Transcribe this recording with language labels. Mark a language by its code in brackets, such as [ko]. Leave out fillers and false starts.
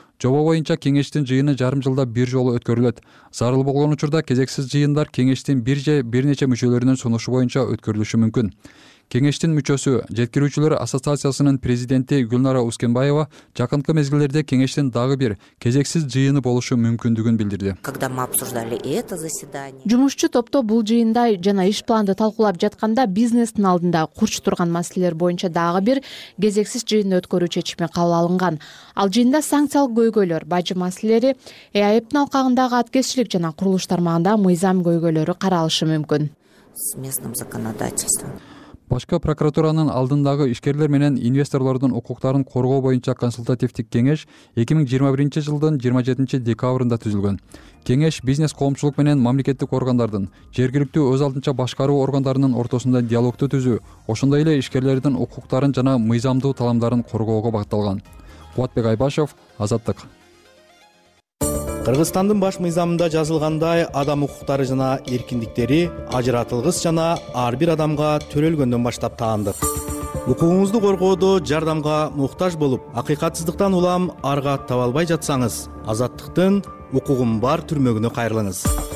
[ky] Жобо боюнча кеңештин жыйыны жарым жылда бир жолу өткөрүлөт. Зарыл болгон учурда кезексиз жыйындар кеңештин бир же бир нече мүчөлөрүнүн сунушу боюнча өткөрүлүшү мүмкүн. Кеңештин мүчөсү, жеткирүүчүлөр ассоциациясынын президенти Гүлнара Ускенбаева жакынкы мезгилдерде кеңештин дагы бир кезексиз жыйыны болушу мүмкүндүгүн билдирди. [ru] Когда мы обсуждали это заседание. [ky] Жумушчу топто бул жыйында жана иш планды талкуулап жатканда бизнестин алдында курч турган маселелер боюнча дагы бир кезексиз жыйын өткөрүү чечими кабыл алынган. Ал жыйында санкциялык көйгөйлөр, бажы маселелери, ЭАЭПнин алкагындагы аткезчилик жана курулуш тармагында мыйзам көйгөйлөрү каралышы мүмкүн. [ru] С местным законодательством. [ky] Башкы прокуратуранын алдындагы ишкерлер менен инвесторлордун укуктарын коргоо боюнча консультативдик кеңеш 2021 жылдын 27 декабрында түзүлгөн. Кеңеш бизнес коомчулук менен мамлекеттик органдардын, жергиликтүү өз алдынча башкаруу органдарынын ортосунда диалогду түзүү, ошондой эле ишкерлердин укуктарын жана мыйзамдуу таламдарын коргоого багытталган. Кубатбек Айбашев, Азаттык. Кыргызстандын баш мыйзамында жазылгандай, адам укуктары жана эркиндиктери ажыратылгыс жана ар бир адамга төрөлгөндөн баштап таандык. Укугуңузду коргоодо жардамга муктаж болуп, акыйкатсыздыктан улам арга табалбай жатсаңыз, азаттыктын укугум бар түрмөгүнө кайрылыңыз.